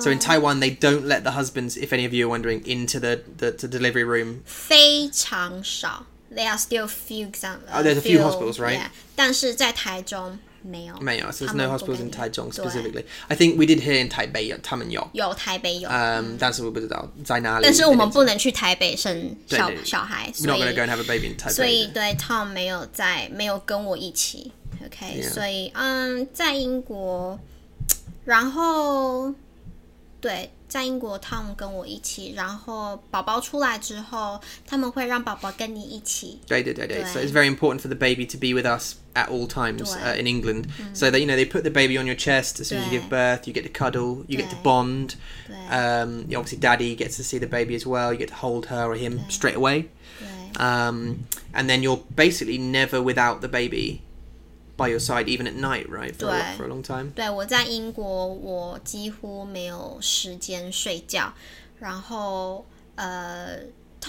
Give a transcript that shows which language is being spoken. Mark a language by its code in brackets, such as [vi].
[en] So in Taiwan, they don't let the husbands, if any of you are wondering, into the delivery room. [zh] 非常少。 [en] There are still few examples. Oh, there's a few hospitals, right? [zh] Yeah. 但是在台中没有。没有。 [en] So there's no hospitals in Taichung specifically. I think we did hear in Taipei, [zh] 他们有。有台北有。但是我不知道在哪里。但是我们不能去台北生小孩。 [en] We're not going to go and have a baby in Taipei. [zh] 所以对 Tom 没有跟我一起。Okay, [en] yeah. [zh] 所以在英国，然后对，在英国 Tom 跟我一起，然后宝宝出来之后，他们会让宝宝跟你一起。对对对对 [en] ，So it's very important for the baby to be with us at all times in England.、嗯、 so that you know they put the baby on your chest as soon as you give birth, you get to cuddle, you get to bond. Obviously, daddy gets to see the baby as well. You get to hold her or him straight away. And then you're basically never without the baby. By your side, even at night, right? For a long time. [zh] 对，我在英国，我几乎没有时间睡觉。然后，t